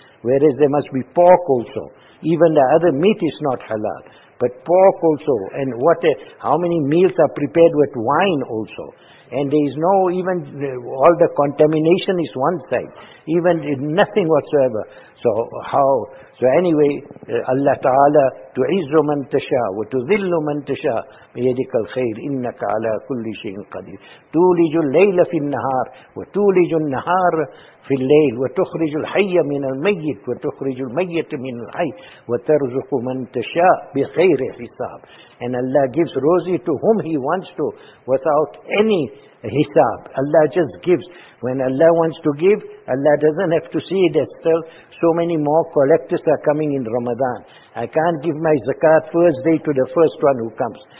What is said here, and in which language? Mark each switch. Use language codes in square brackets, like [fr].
[en] Whereas there must be pork also. Even the other meat is not halal. But pork also. And what? How many meals are prepared with wine also? And there is no, even all the contamination is one side. Even nothing whatsoever. So how? So anyway, Allah Ta'ala, [ar] تُعِزُّ مَن تَشَاءُ وَتُذِلُّ مَن تَشَاءُ بِيَدِكَ الْخَيْرِ إِنَّكَ عَلَىٰ كُلِّ شَيْءٍ قَدِيرٌ تُولِجُ اللَّيْلَ فِي النَّهَارِ وَتُولِجُ النَّهَارَ فِي اللَّيْلِ وَتُخْرِجُ الْحَيَّ مِنَ الْمَيِّتِ وَتُخْرِجُ الْمَيِّتَ مِنَ الْحَيِّ وَتَرْزُقُ مَن تَشَاءُ بِخَيْرِ حِسَابٍ. [en] And Allah gives rosy to whom He wants to without any hisab. Allah just gives. When Allah wants to give, Allah doesn't have to see that still so many more collectors are coming in Ramadan. I can't give my zakat first day to the first one who comes.